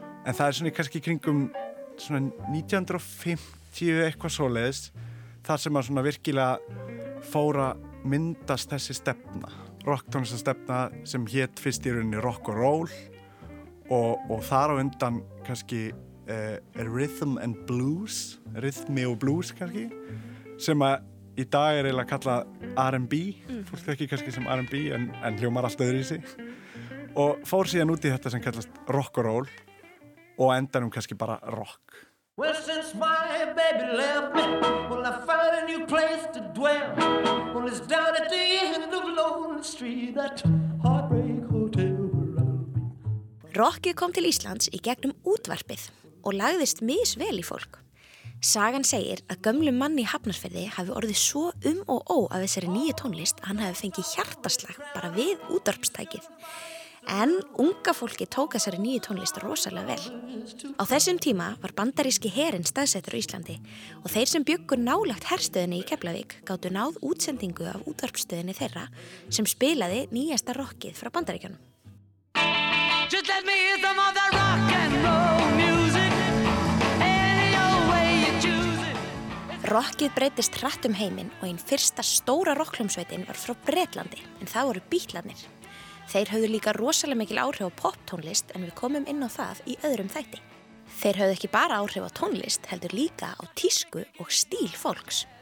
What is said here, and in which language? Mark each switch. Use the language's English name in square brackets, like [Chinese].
[Icelandic] En það svona kannski kringum svona 1950 eitthvað svoleiðis þar sem að svona virkilega fóra myndast þessi stefna rocktónlistar stefna sem hét fyrst í rauninni rock and roll og þar á undan kannski rhythm and blues rhythmi og blues kannski sem að í dag er eiginlega kallað R&B fólk ekki kannski sem R&B en hljómar allt öðru í sig og fór síðan út í þetta sem kallast rock and roll og endanum kannski bara rock. [English] Well, since my baby left me, well, I found a new place to dwell. Well, it's down at the end of Lonely Street, that heartbreak hotel where I'll be. [Icelandic] Rockið kom til Íslands í gegnum útvarpið og lagðist misvel í fólk. Sagan segir að gömlu manni í Hafnarfirði hafi orðið svo af þessari nýju tónlist að hann hafi fengið hjartaslag bara við útvarpstækið. En unga fólki tók þessari nýju tónlist rosalega vel. Á þessum tíma var bandaríski herinn staðsettur á Íslandi og þeir sem bjuggu nálægt herstöðinni í Keflavík gátu náð útsendingu af útvarpsstöðinni þeirra sem spilaði nýjasta rockið frá Bandaríkjunum. [English] Just let me hear some of that rock and roll music. [Icelandic] Rokkið breytist hratt um heiminn og einn fyrsta stóra rokkhljómsveitin var frá Bretlandi, en það voru Bítlarnir. Þeir höfðu líka rosalega mikil áhrif á poptónlist en við komum inn á það í öðrum þætti. Þeir höfðu ekki bara áhrif á tónlist, heldur líka á tísku og stíl fólks.